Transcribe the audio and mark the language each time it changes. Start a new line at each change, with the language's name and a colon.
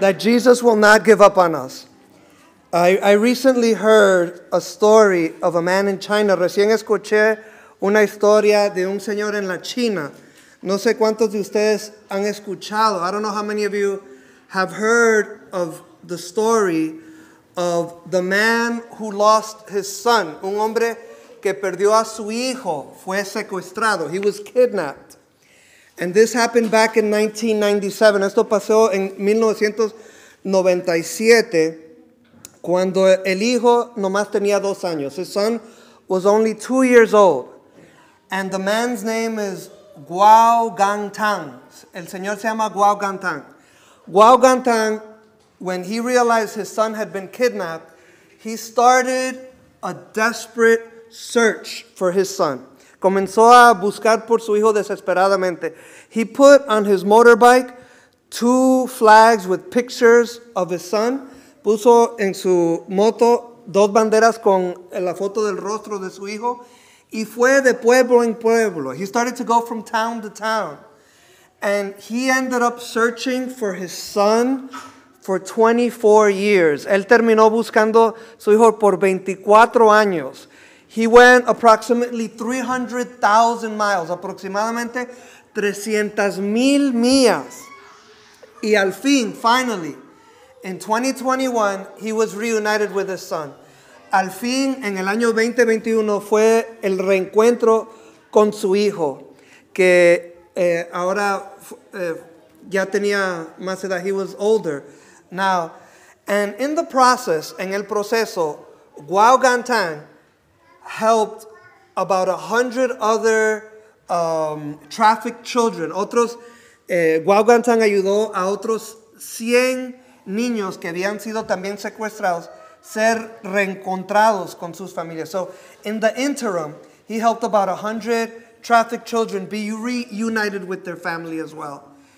English: That Jesus will not give up on us. I recently heard a story of a man in China.
Spanish: Recién escuché una historia de un señor en la China. No sé cuántos de ustedes han escuchado.
English: I don't know how many of you have heard of the story of the man who lost his son.
Spanish: Un hombre que perdió a su hijo fue secuestrado.
English: He was kidnapped. And this happened back in 1997.
Spanish: Esto pasó en 1997. Cuando el hijo nomás tenía dos años.
English: His son was only 2 years old. And the man's name is Guo Gangtang.
Spanish: El señor se llama Guo Gangtang.
English: Guo Gangtang, when he realized his son had been kidnapped, he started a desperate search for his son.
Spanish: Comenzó a buscar por su hijo desesperadamente.
English: He put on his motorbike 2 flags with pictures of his son.
Spanish: Puso en su moto 2 banderas con la foto del rostro de su hijo y fue de pueblo en pueblo.
English: He started to go from town to town. And he ended up searching for his son for 24 years.
Spanish: Él terminó buscando su hijo por 24 años.
English: He went approximately 300,000 miles,
Spanish: aproximadamente 300,000 millas. Y al fin,
English: finally, in 2021, he was reunited with his son.
Spanish: Al fin, en el año 2021, fue el reencuentro con su hijo, que ahora ya tenía más edad.
English: He was older now. And in the process,
Spanish: en el proceso,
English: Guo Gangtang helped about 100 other trafficked children.
Spanish: Otros, Guo Gangtang ayudó a otros 100 niños que habían sido también secuestrados ser reencontrados con sus familias.
English: So in the interim, he helped about 100 trafficked children be reunited with their family as well.